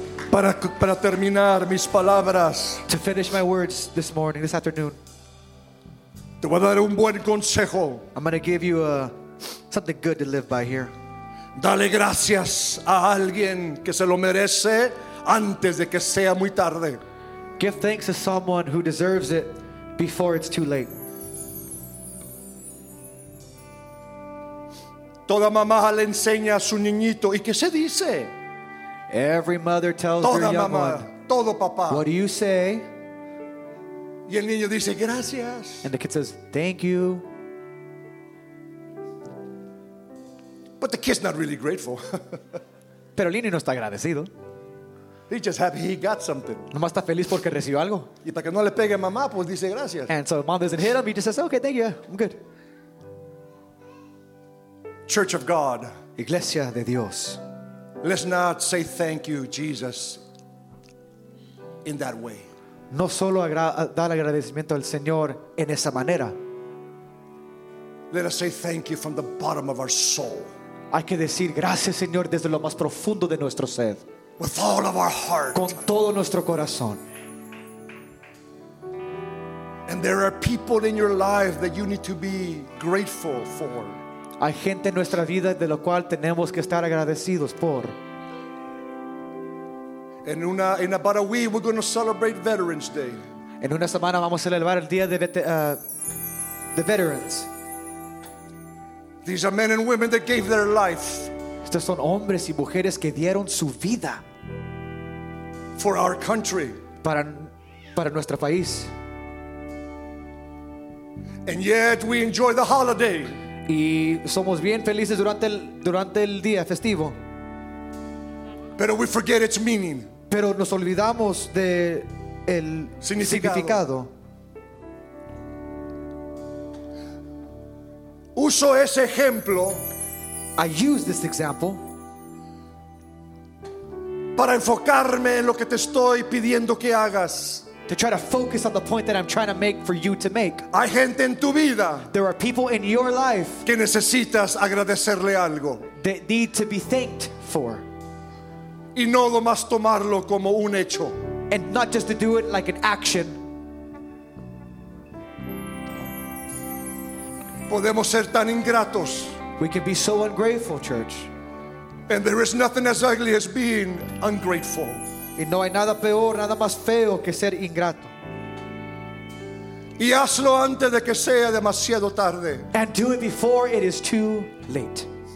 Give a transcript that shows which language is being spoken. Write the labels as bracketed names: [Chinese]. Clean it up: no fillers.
[Spanish] Para terminar mis palabras. [English] To finish my words this morning, this afternoon. [Spanish] Te voy a dar un buen consejo. [English] I'm going to give you something good to live by here. [Spanish] Dale gracias a alguien que se lo merece antes de que sea muy tarde. [English] Give thanks to someone who deserves it before it's too late. [Spanish] Toda mamá le enseña a su niñito. ¿Y qué se dice? [English] Every mother tells [Spanish] toda [English] their young [Spanish] mamá, [English] one. [Spanish] Todo papá. [English] What do you say? [Spanish] Y el niño dice, gracias. [English] And the kid says, thank you. But the kid's not really grateful. [Spanish] Pero el niño no está agradecido. [English] He's just happy he got something. [Spanish] Nomás está feliz porque recibió algo. Y para que no le pegue a mamá, pues dice, gracias. [English] And so mom doesn't hit him. He just says, okay, thank you. I'm good. Church of God. [Spanish] Iglesia de Dios. [English] Let's not say thank you, Jesus, in that way. [Spanish] No solo dar agradecimiento al Señor en esa manera. [English] Let us say thank you from the bottom of our soul. [Spanish] Hay que decir gracias, Señor, desde lo más profundo de nuestro ser. [English] With all of our heart. [Spanish] Con todo nuestro corazón. [English] And there are people in your life that you need to be grateful for. [Spanish] Hay gente en nuestra vida de lo cual tenemos que estar agradecidos por. [English] In about a week, we're going to celebrate Veterans Day. [Spanish] En una semana vamos a celebrar el día de [English] the veterans. These are men and women that gave their life. [Spanish] Estos son hombres y mujeres que dieron su vida. [English] For our country. [Spanish] Para nuestro país. [English] And yet we enjoy the holiday. [Spanish] Y somos bien felices durante el día festivo. Pero [English] we forget its meaning. [Spanish] Pero nos olvidamos del significado. Uso ese ejemplo. [English] I use this example. [Spanish] Para enfocarme en lo que te estoy pidiendo que hagas. [English] To try to focus on the point that I'm trying to make for you to make. [Spanish] Hay gente en tu vida. [English] There are people in your life. [Spanish] Que necesitas agradecerle algo. [English] That need to be thanked for. [Spanish] Y no lo más tomarlo como un hecho. [English] And not just to do it like an action. [Spanish] Podemos ser tan ingratos. [English] We can be so ungrateful, church. And there is nothing as ugly as being ungrateful. [Spanish] Y no hay nada peor, nada más feo que ser ingrato. Y hazlo antes de que sea demasiado tarde. [English] And do it before it is too late.